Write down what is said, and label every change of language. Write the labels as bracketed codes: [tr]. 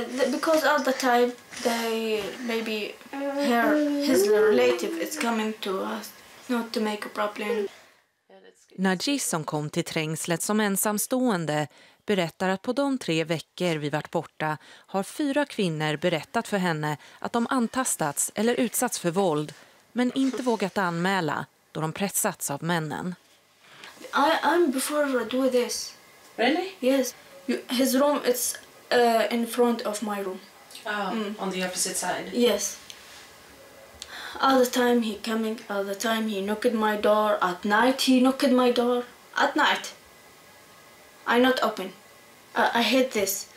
[en] Because all the time they maybe her his relative is coming to us not to make a problem. [sv] Najis som kom till trängslet som ensamstående berättar att på de 3 veckor vi varit borta har 4 kvinnor berättat för henne att de antastats eller utsatts för våld men inte vågat anmäla då de pressats av männen. [en] I'm before I do this. Really? Yes. His room is in front of my room. On the opposite side. Yes. All the time he coming, all the time he knocked my door. At night he knocked my door. At night. I not open. I hate this.